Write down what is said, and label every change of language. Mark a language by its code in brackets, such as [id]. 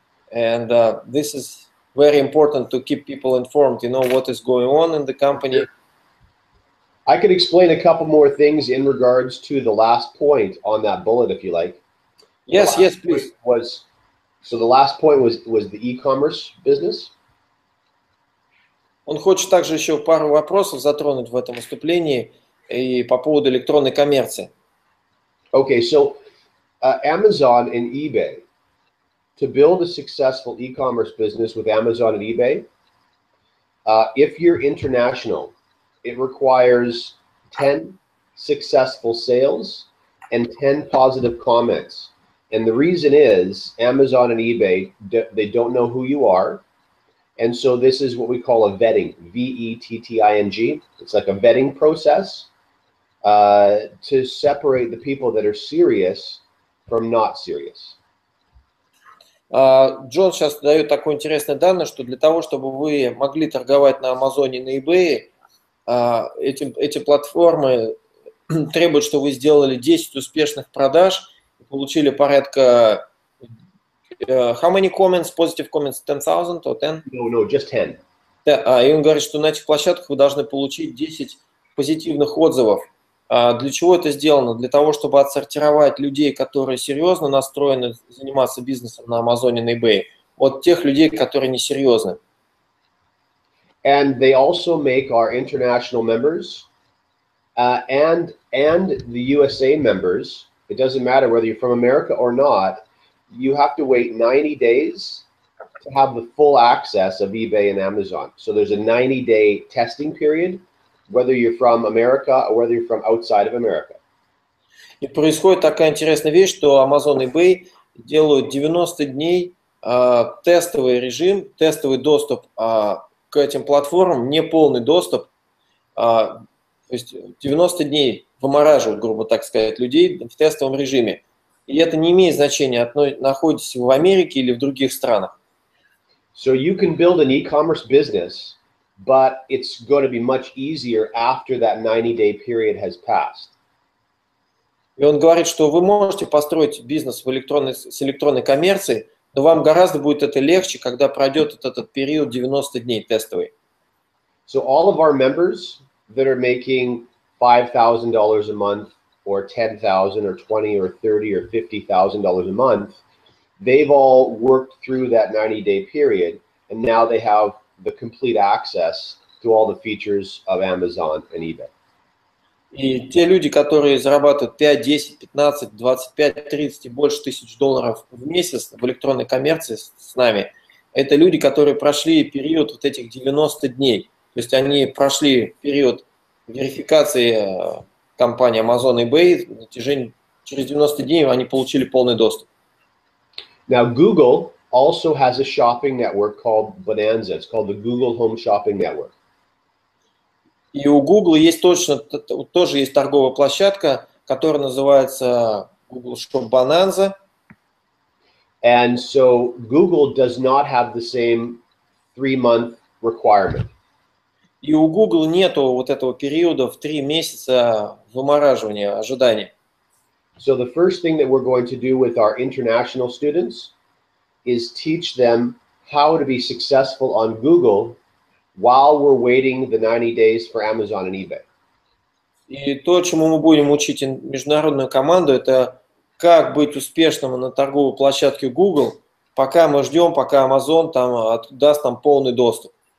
[en] And this is very important to keep people informed, you know, what is going on in the company. I could explain a couple more things in regards to the last point on that bullet, if you like. Yes, yes, please. The last point was the e-commerce business. [ru] Он хочет также еще пару вопросов затронуть в этом выступлении и по поводу электронной коммерции. [en] Okay, so Amazon and eBay. To build a successful e-commerce business with Amazon and eBay, if you're international, it requires 10 successful sales and 10 positive comments. And the reason is Amazon and eBay, they don't know who you are. And so this is what we call a vetting, V-E-T-T-I-N-G. It's like a vetting process to separate the people that are serious from not serious. [ru] Джон сейчас дает такое интересное данное, что для того, чтобы вы могли торговать на Амазоне и на eBay, эти платформы требуют, чтобы вы сделали 10 успешных продаж, получили порядка... [en] how many comments, positive comments, 10,000 or 10? No, just 10. [ru] И он говорит, что на этих площадках вы должны получить 10 позитивных отзывов. Для чего это сделано? Для того, чтобы отсортировать людей, которые серьезно настроены заниматься бизнесом на Амазоне, на eBay. Вот тех людей, которые несерьезны. [en] And they also make our international members and the USA members, it doesn't matter whether you're from America or not, you have to wait 90 days to have the full access of eBay and Amazon. So there's a 90-day testing period. Whether you're from America or whether you're from outside of America. [ru] И происходит такая интересная вещь, что Amazon и eBay делают 90 дней тестовый режим, тестовый доступ к этим платформам, не полный доступ. То есть 90 дней вымораживают, грубо так сказать, людей в тестовом режиме. И это не имеет значения, находитесь вы в Америке или в других странах. [en] So you can build an e-commerce business, but it's going to be much easier after that 90-day period has passed. [ru] И он говорит, что вы можете построить бизнес в электронной коммерции, но вам гораздо будет это легче, когда пройдет этот период 90 дней тестовый. [en] So all of our members that are making $5,000 a month, or $10,000, or $20,000, or $30,000, or $50,000 a month, they've all worked through that 90-day period, and now they have the complete access to all the features of Amazon and eBay. [ru] И те люди, которые зарабатывают 5, 10, 15, 25, 30 и больше тысяч долларов в месяц в электронной коммерции с нами, это люди, которые прошли период вот этих 90 дней. То есть они прошли период верификации компании Amazon и eBay, через 90 дней они получили полный доступ. [en] Now Google also has a shopping network called Bonanza. It's called the Google Home Shopping Network. [ru] И у Google тоже есть торговая площадка, которая называется Google Shop Bonanza. [en] And so Google does not have the same 3-month requirement. [ru] И у Google нету вот этого периода в 3 месяца вымораживания, ожидания. [en] So the first thing that we're going to do with our international students is teach them how to be successful on Google while we're waiting the 90 days for Amazon and eBay. [ru] И то, чему мы будем учить международную команду, это как быть успешным на торговой площадке Google, пока мы ждем, пока Amazon там даст нам полный доступ.